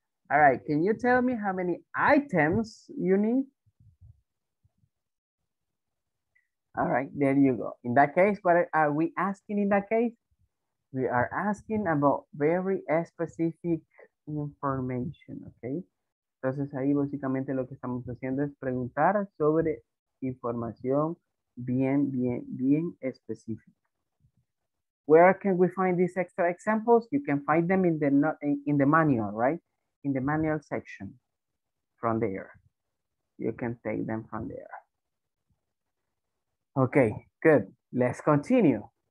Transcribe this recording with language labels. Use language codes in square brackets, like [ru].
[en] All right, can you tell me how many items you need? All right, there you go. In that case, what are we asking in that case? We are asking about very specific information, okay? [es] Entonces ahí básicamente lo que estamos haciendo es preguntar sobre información bien, bien, bien específica. [en] Where can we find these extra examples? You can find them in the manual, right? In the manual section from there. You can take them from there. Okay, good. Let's continue.